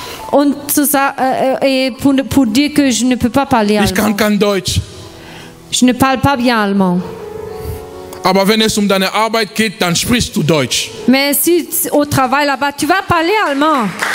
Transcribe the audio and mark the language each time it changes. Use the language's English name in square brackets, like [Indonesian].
[German] Und zu sagen, [French] pour dire que je ne peux pas parler allemand. [German] Ich kann kein Deutsch. [French] Je ne parle pas bien allemand. [German] Aber wenn es deine Arbeit geht, dann sprichst du Deutsch. [French] Mais si au travail là-bas, tu vas parler allemand.